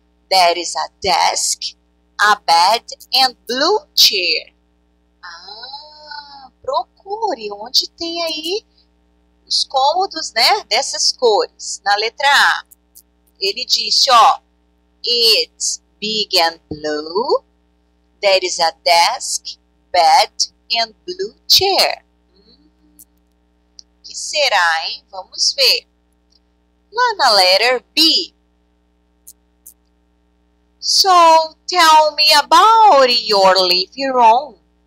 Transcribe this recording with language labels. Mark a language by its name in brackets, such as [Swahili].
[English] There is a desk, a bed and blue chair. [Portuguese] Ah, procure onde tem aí os cômodos, né, dessas cores. Na letra A, ele disse, ó, [English] it's big and blue, there is a desk, bed and blue chair. [Portuguese] Que será, hein? Vamos ver. Lá na letra B, [English] so tell me about your living room.